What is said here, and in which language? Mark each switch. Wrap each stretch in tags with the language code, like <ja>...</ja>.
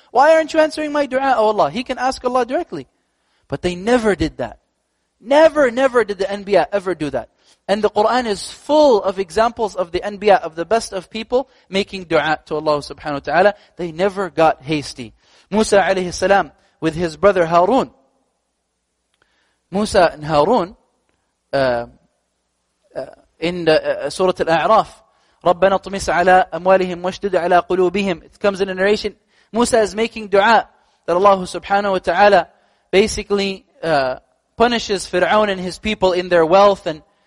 <en>Why aren't you answering my dua, O Allah? He can ask Allah directly. But they never did that. Never, never did the Anbiya ever do that. And the Quran is full of examples of the Anbiya, of the best of people, making dua to Allah subhanahu wa ta'ala. They never got hasty. Musa alayhi salam, with his brother Harun. Musa and Harun, in Surah Al-A'raf,</en> <ar>رَبَّنَا طُمِسْ عَلَىٰ أَمْوَالِهِمْ وَاشْدُدْ عَلَىٰ قُلُوبِهِمْ.</ar> <en>It comes in a narration. Musa is making dua that Allah subhanahu wa ta'ala basically punishes Fir'aun and his people in their wealth and</en>